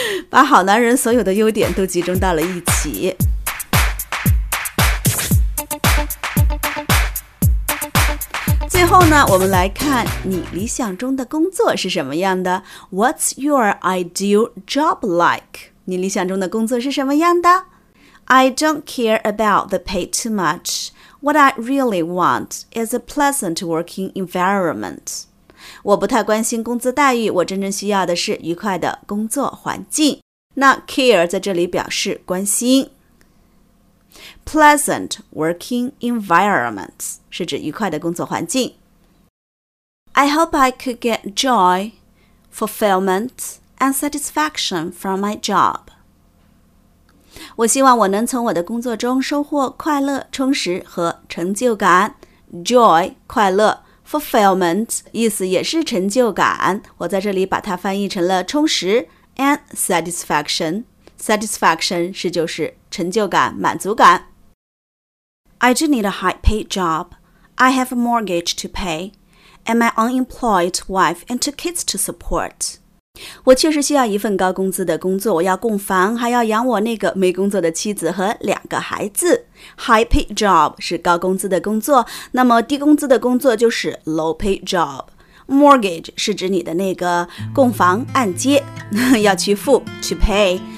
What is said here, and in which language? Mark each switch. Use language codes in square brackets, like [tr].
[zh] 把好男人所有的优点都集中到了一起。最后呢，我们来看你理想中的工作是什么样的。 [en] What's your ideal job like? [zh] 你理想中的工作是什么样的？ [en] I don't care about the pay too much. What I really want is a pleasant working environment. [zh] 我不太关心工资待遇，我真正需要的是愉快的工作环境。那 care 在这里表示关心。 [en] Pleasant working environment [zh] 是指愉快的工作环境。 [en] I hope I could get joy, fulfillment, and satisfaction from my job. [zh] 我希望我能从我的工作中收获快乐、充实和成就感。 Joy 快乐， fulfillment 意思也是成就感，我在这里把它翻译成了充实， [en] and satisfaction。 [zh] Satisfaction 是就是成就感、满足感。 [en] I do need a high-paid job. I have a mortgage to pay, and my unemployed wife and two kids to support. [zh] 我确实需要一份高工资的工作，我要供房，还要养我那个没工作的妻子和两个孩子。 High-paid job 是高工资的工作，那么低工资的工作就是 low-paid job. Mortgage 是指你的那个供房按揭，要去付 [en] to pay。